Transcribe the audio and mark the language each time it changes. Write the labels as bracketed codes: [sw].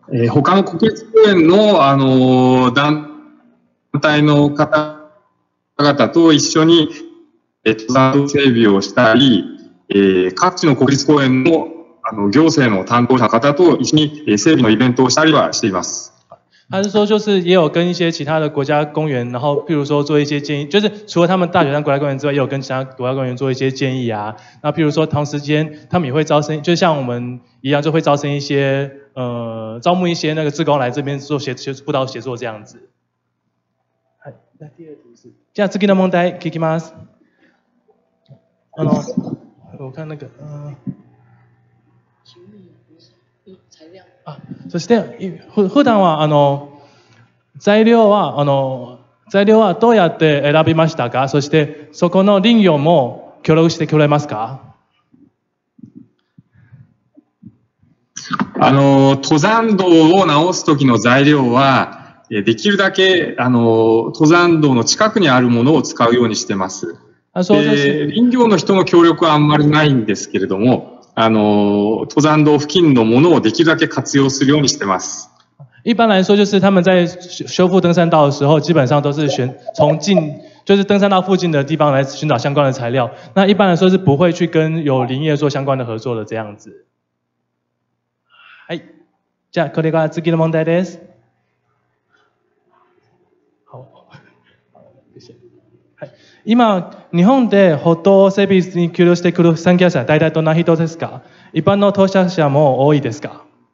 [ja] 他の国立公園のあの団体の方。方々と一緒に登山道整備をしたり、各地の国立公園の、あの行政の担当者方と一緒に整備のイベントをしたりはしています。 [zh] 他是说就是也有跟一些其他的国家公园，然后譬如说做一些建议，就是除了他们大雪山国家公园之外，也有跟其他国家公园做一些建议啊。那譬如说同时间，他们也会招生，就像我们一样，就会招生一些招募一些那个志工来这边做协助、辅导协作这样子。 [ja] じゃあ次の問題聞きます。あの、 [zh] 我看那个、 [ja] あ、そして普段はあの材料はあの材料はどうやって選びましたか？そしてそこの林業も協力してくれますか？あの登山道を直す時の材料は。できるだけあの登山道の近くにあるものを使うようにしてます。あ、そうです。林業の人の協力はあんまりないんですけれども、あの登山道付近のものをできるだけ活用するようにしてます。 [zh] 一般来说，就是他们在修复登山道的时候，基本上都是选从近，就是登山道附近的地方来寻找相关的材料。那一般来说是不会去跟有林业做相关的合作的这样子。 [ja] はい。じゃあこれが次の問題です。今日本で歩道整備に協力してくる参加者は大体どんな人ですか？一般の登山者も多いですか？